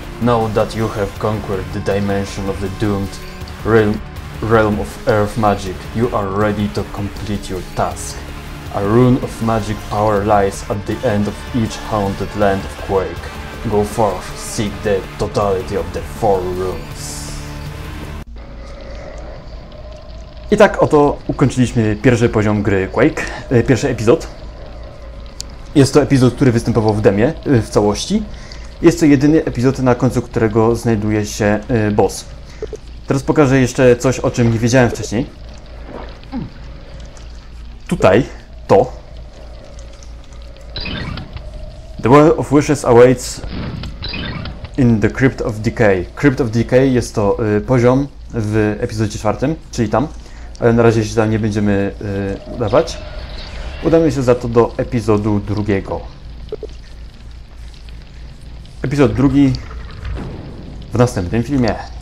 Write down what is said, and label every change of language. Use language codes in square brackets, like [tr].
[en] Now that you have conquered the dimension of the doomed realm of Earth magic, you are ready to complete your task. A rune of magic power lies at the end of each haunted land of Quake. Go forth, seek the totality of the 4 runes. [pl] I tak oto ukończyliśmy pierwszy poziom gry Quake, pierwszy epizod. Jest to epizod, który występował w demie, w całości. Jest to jedyny epizod, na końcu którego znajduje się boss. Teraz pokażę jeszcze coś, o czym nie wiedziałem wcześniej. Tutaj. To. [en] The Well of Wishes awaits in the Crypt of Decay. [pl] Crypt of Decay jest to poziom w epizodzie 4, czyli tam. Ale na razie się tam nie będziemy udawać. Udamy się za to do epizodu 2. Epizod 2 w następnym filmie.